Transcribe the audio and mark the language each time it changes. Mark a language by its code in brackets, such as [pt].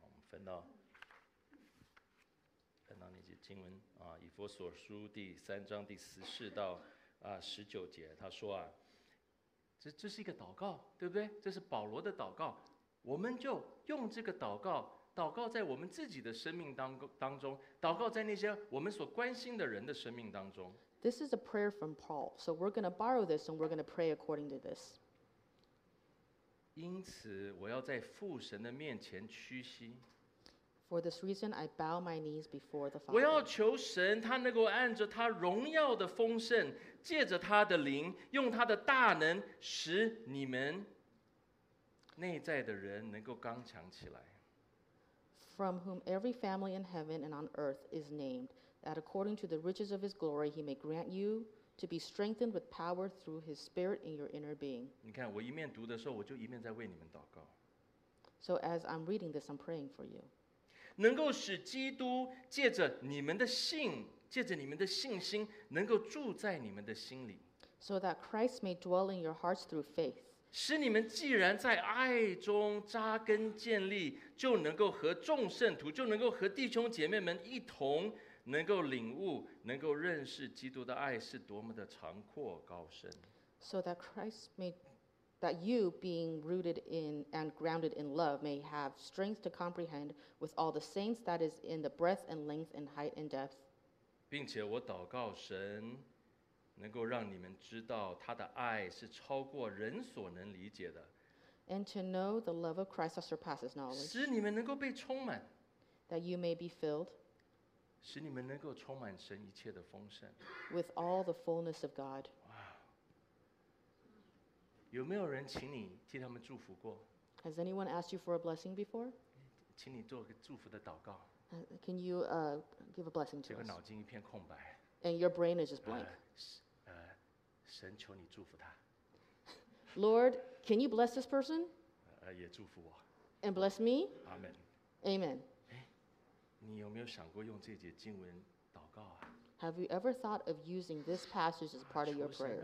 [zh] 翻到那些经文啊，以弗所书第三章第十四到十九节，他说啊，这是一个祷告，对不对？这是保罗的祷告，我们就用这个祷告，祷告在我们自己的生命当中，祷告在那些我们所关心的人的生命当中。 [en] This is a prayer from Paul, so we're going to borrow this and we're going to pray according to this. [zh] 因此，我要在父神的面前屈膝。 [en] For this reason, I bow my knees before the Father. [zh] 我要求神，他能够按着他荣耀的丰盛，借着他的灵，用他的大能，使你们内在的人能够刚强起来。 [en] From whom every family in heaven and on earth is named, that according to the riches of his glory, he may grant you to be strengthened with power through his Spirit in your inner being. [zh] 你看，我一面读的时候，我就一面在为你们祷告。 [en] So as I'm reading this, I'm praying for you. [zh] 能够使基督借着你们的信，借着你们的信心，能够住在你们的心里。 [en] So that Christ may dwell in your hearts through faith. [zh] 使你们既然在爱中扎根建立，就能够和众圣徒，就能够和弟兄姐妹们一同，能够领悟，能够认识基督的爱是多么的长阔高深。 [en] So that Christ may, that you, being rooted in and grounded in love, may have strength to comprehend with all the saints that is in the breadth and length and height and depth. [zh] 并且我祷告神，能够让你们知道他的爱是超过人所能理解的。 [en] And to know the love of Christ that surpasses knowledge. [zh] 使你们能够被充满。 [en] That you may be filled. [zh] 使你们能够充满神一切的丰盛。 [en] With all the fullness of God. [zh] 有没有人请你替他们祝福过？ [en] Has anyone asked you for a blessing before? [zh] 请你做个祝福的祷告。 [en] Can you give a blessing to us? [zh] 这个脑筋一片空白。 [en] And your brain is just blank. [zh] 神求你祝福他。 [en] Lord, can you bless this person? [zh] 也祝福我。 [en] And bless me? Amen. Amen. [zh] 你有没有想过用这节经文祷告啊？ [en] Have you ever thought of using this passage as part of your prayers?